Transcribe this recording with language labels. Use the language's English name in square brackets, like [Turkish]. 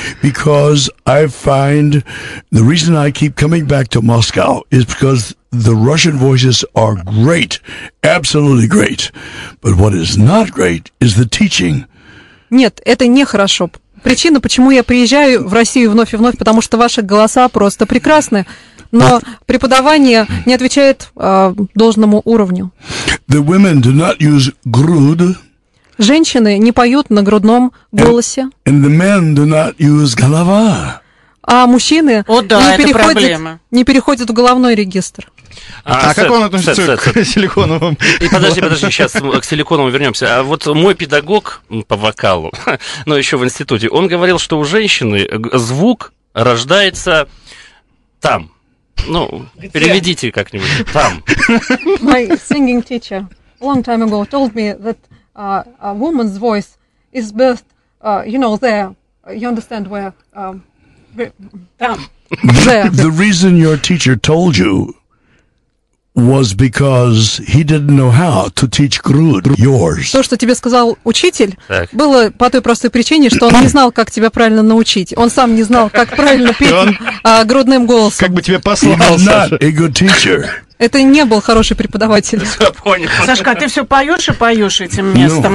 [English] Because I find the reason I keep coming back to Moscow is because the Russian voices are great, absolutely great. But what is not great is the teaching. [Russian] Нет, это нехорошо. Причина, почему я приезжаю в Россию вновь и вновь, потому что ваши голоса просто прекрасны. Но преподавание не отвечает должному уровню. [English] The women do not use груд. [Russian] Женщины не поют на грудном голосе. [English] And the men do not use голова. [Russian] А мужчины не переходят в головной регистр. А как он относится к силиконовым? Подожди, сейчас к силиконовым вернемся. А вот мой педагог по вокалу, но еще в институте, он говорил, что у женщины звук рождается там. Ну, где? Переведите как-нибудь там. [English] My singing teacher long time ago told me that a woman's voice is birthed, you know, there. You understand where? Там. There. The reason your teacher told you was because he didn't know how to teach груд, yours. [Russian] То, что тебе сказал учитель, так, было по той простой причине, что он не знал, как тебя правильно научить. Он сам не знал, как правильно петь грудным голосом. Как бы тебе послал, Саша. [English] Not a good teacher. [Russian] Это не был хороший преподаватель. Все, понял. Сашка, ты все поешь и поешь этим местом.